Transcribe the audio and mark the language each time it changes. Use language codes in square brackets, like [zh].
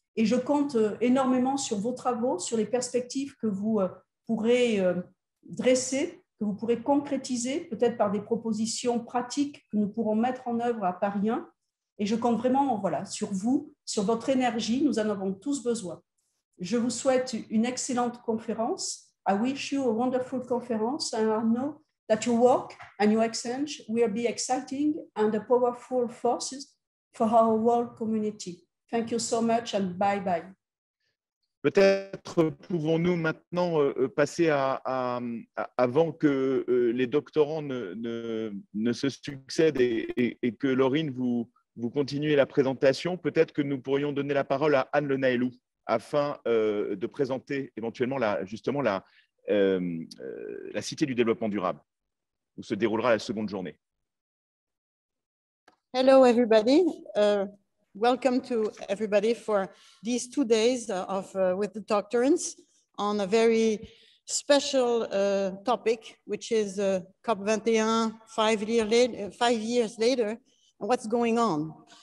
[fr] Et je compte énormément sur vos travaux, sur les perspectives que vous pourrez dresser, que vous pourrez concrétiser, peut-être par des propositions pratiques que nous pourrons mettre en œuvre à Paris 1. Et je compte vraiment sur vous, sur votre énergie, nous en avons tous besoin. Je vous souhaite une excellente conférence. [en] I wish you a wonderful conference, and I know that your work and your exchange will be exciting and a powerful force for our world community. Thank you so much and bye-bye. [fr] Peut-être pouvons-nous maintenant passer à avant que les doctorants ne se succèdent et que Laurine vous continuez la présentation, peut-être que nous pourrions donner la parole à Anne Le Naëlou afin de présenter éventuellement la Cité du développement durable où se déroulera la seconde journée. [en] Hello everybody. Welcome to everybody for these 2 days with the doctorants on a very special topic, which is COP21 five years later, and what's going on.